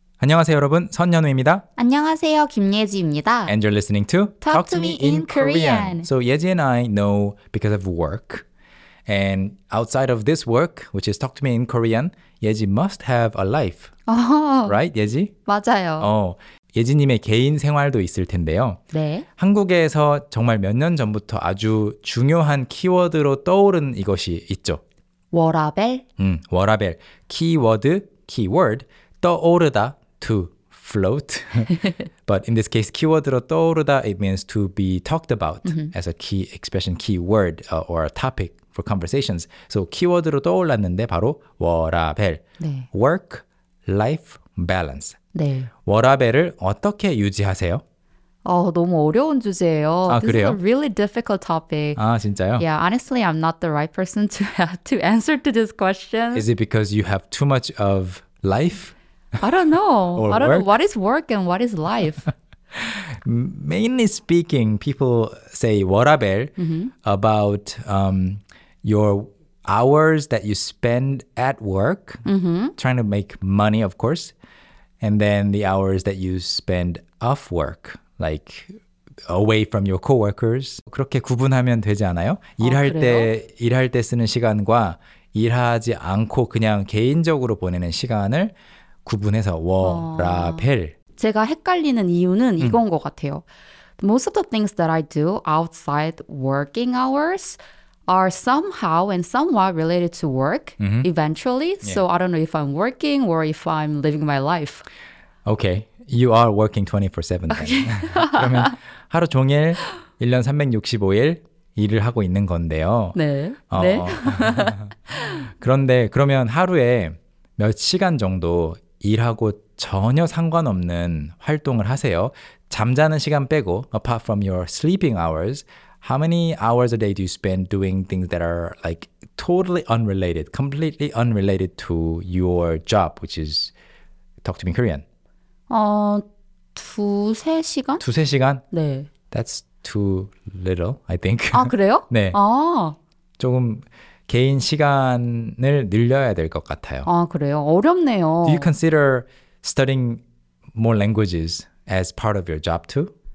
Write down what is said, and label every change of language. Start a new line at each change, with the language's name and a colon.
Korean: 안녕하세요 여러분, 선연우입니다. 안녕하세요, 김예지입니다.
English: And you're listening to Talk to Me in Korean. So Yeji and I know because of work. And outside of this work, which is Talk to Me in Korean, Yeji must have a life. Right, Yeji?
Korean: 맞아요. 예지님의 개인 생활도 있을 텐데요. 네. 한국에서 정말 몇 년 전부터 아주 중요한 키워드로 떠오른 이것이 있죠. 워라벨? 워라벨. 키워드, 키워드. 떠오르다,
English: to float. But in this case,
Korean: 키워드로 떠오르다,
English: it means to be talked about as a key expression, keyword or a topic for conversations.
Korean: So 키워드로 떠올랐는데 바로 워라벨. 네.
English: Work, life, balance.
Korean: 네. 워라벨을 어떻게 유지하세요? 너무 어려운 주제예요. 아,
English: this
Korean: 그래요?
English: is a really difficult topic.
Korean: 아, 진짜요?
English: Yeah, honestly, I'm not the right person to have to answer to this question. Is it because you have too much of life? I don't know. Or I don't work? know what is work and what is life. Mainly speaking, people say 워라벨 about your hours that you spend at work, trying to make money, of course, and then the hours that you spend off work, like away from your coworkers.
Korean: 그렇게 구분하면 되지 않아요? 일할 때 쓰는 시간과 일하지 않고 그냥 개인적으로 보내는 시간을 구분해서 워라벨. 제가 헷갈리는 이유는 이건 것 같아요.
English: Most of the things that I do outside working hours are somehow and somewhat related to work eventually. Yeah. So I don't know if I'm working or if I'm living my life. Okay. You are working 24/7. Okay.
Korean: 그러면 하루 종일 1년 365일 일을 하고 있는 건데요. 네. 네. 그런데 그러면 하루에 몇 시간 정도 일하고 전혀 상관없는 활동을 하세요. 잠자는 시간 빼고,
English: apart from your sleeping hours, how many hours a day do you spend doing things that are like totally unrelated, completely unrelated to your job, which is Talk to Me Korean?
Korean: 두세 시간? 두세 시간? 네.
English: That's too little, I think.
Korean: 아, 그래요? 네. 아. 조금 개인 시간을 늘려야 될 것 같아요. 아, 그래요? 어렵네요.
English: Do you consider studying more languages as part of your job too?